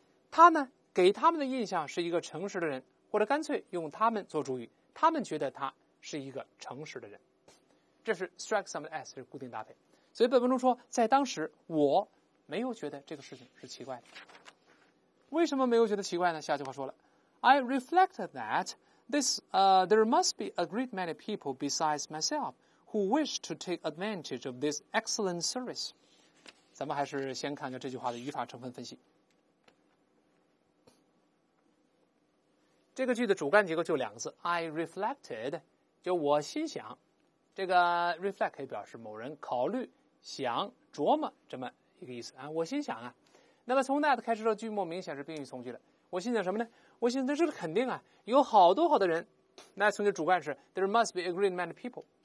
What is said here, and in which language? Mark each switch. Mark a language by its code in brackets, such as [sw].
[zh] 他呢，给他们的印象是一个诚实的人，或者干脆用他们做主语，他们觉得他是一个诚实的人。这是 [en] strike someone as [zh] 是固定搭配。所以本文中说，在当时我没有觉得这个事情是奇怪的。为什么没有觉得奇怪呢？下句话说了 ， [en] I reflected that。 There must be a great many people besides myself who wish to take advantage of this excellent service. [zh] 咱们还是先看看这句话的语法成分分析。这个句的主干结构就两个字 ， [en] I reflected， [zh] 就我心想。这个 reflect 可以表示某人考虑、想、琢磨这么一个意思啊。我心想啊，那么从 that 开始的句末明显是宾语从句的。我心想什么呢？我心想这是肯定啊，有好多好的人。那从句主干是 [en] there must be a great many people。